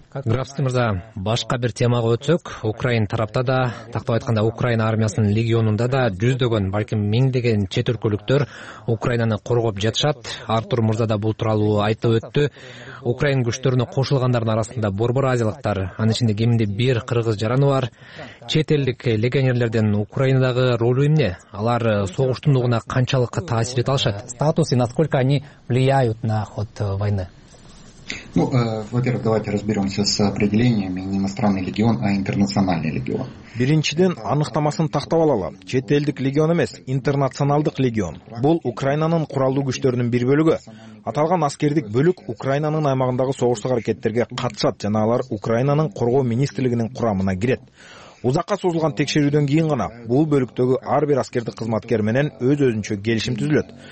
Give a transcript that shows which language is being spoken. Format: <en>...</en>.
<ky>Грабский мырза, башка бир темага өтсөк, Украин тарапта да, тактап айтканда Украина армиясынын легионунда да жүздөгөн, балким миңдеген чет өлкөлүктөр Украинаны коргоп жатышат. Артур мырза да бул тууралуу айтып өттү. Украин күчтөрүнө кошулгандардын арасында борбор азиялыктар, анын ичинде кеминде бир кыргыз жараны бар. Чет элдик легионерлердин Украинадагы ролу эмне? Алар согуштун угуна канчалык таасир эте алышат?</ky> <ru>Статусы, насколько они влияют на ход войны? Ну, во-первых, давайте разберемся с определениями не иностранный легион, а интернациональный легион.</ru> <ky>Биринчиден аныктамасын тактап алалы. Чет элдик легион эмес, интернационалдык легион. Бул Украинанын куралдуу күчтөрүнүн бир бөлүгү. Аталган аскердик бөлүк Украинанын аймагындагы согуштук аракеттерге катышат жана алар Украинанын коргоо министрлигинин курамына кирет. Узакка созулган текшерүүдөн кийин гана бул бөлүктөгү ар бир аскердик кызматкер менен өз-өзүнчө келишим түзүлөт.</ky>